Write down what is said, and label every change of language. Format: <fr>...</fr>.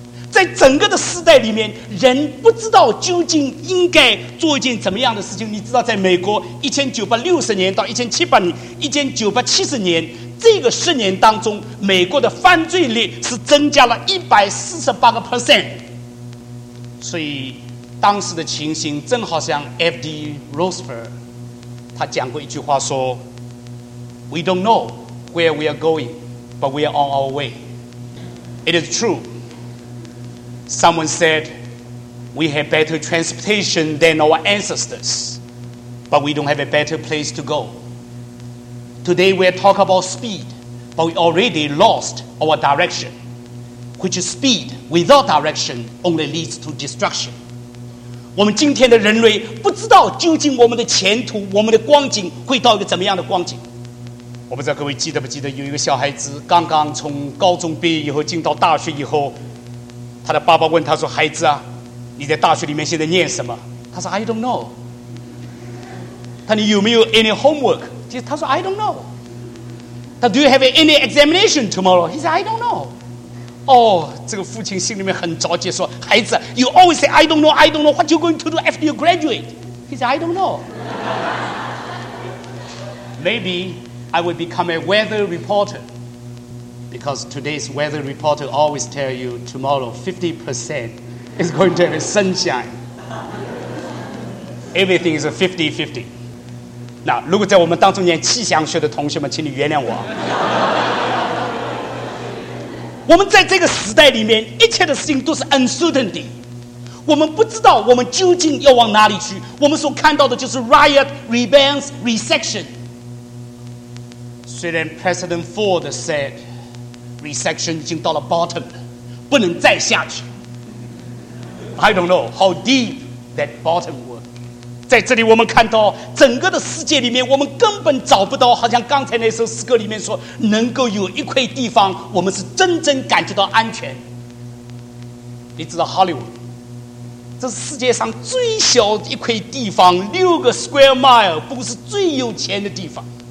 <zh>在整个的时代里面人不知道究竟应该做一件怎么样的事情。你知道在美国1960年到1970年这个10年当中，美国的犯罪率是增加了148%。所以当时的情形正好像 F.D.</zh> <en>Roosevelt</en> <zh>他讲过一句话说，</zh> <en>We don't know where we are going, but we are on our way. It is true. Someone said, We have better transportation than our ancestors, but we don't have a better place to go. Today we are talking about speed, but we already lost our direction, which is speed without direction only leads to destruction.</en> <zh>我们今天的人类不知道究竟我们的前途，我们的光景会到一个怎么样的光景。我不知道各位记得不记得，有一个小孩子刚刚从高中毕业以后进到大学以后，他的爸爸问他说，孩子啊，你在大学里面现在念什么？他说</zh> <en>I don't know。</en> <zh>他说你有没有</zh> <en>any homework？</en> <zh>他说 I don't know。他说</zh> <en>Do you have any examination tomorrow？ He said I don't know。</en> <zh>这个父亲心里面很着急，说孩子</zh> <en>You always say I don't know, I don't know, what you going to do after you graduate? He said I don't know. Maybe I will become a weather reporter, because today's weather reporter always tell you tomorrow 50% is going to have sunshine. Everything is a 50-50.</en> <zh>那如果在我们当中念气象学的同学们，请你原谅我。我们在这个时代里面一切的事情都是 uncertainty， 我们不知道我们究竟要往哪里去。我们所看到的就是</zh> <en>riot, rebellion, recession。</en> <zh>虽然</zh> <en>President Ford said recession</en> <zh>已经到了 bottom， 不能再下去。</zh> <en>I don't know how deep that bottom was。</en> <zh>在这里我们看到整个的世界里面我们根本找不到，好像刚才那首诗歌里面说，能够有一块地方我们是真正感觉到安全。你知道 Hollywood 这是世界上最小的一块地方，6个 square mile， 不过是最有钱的地方。</zh>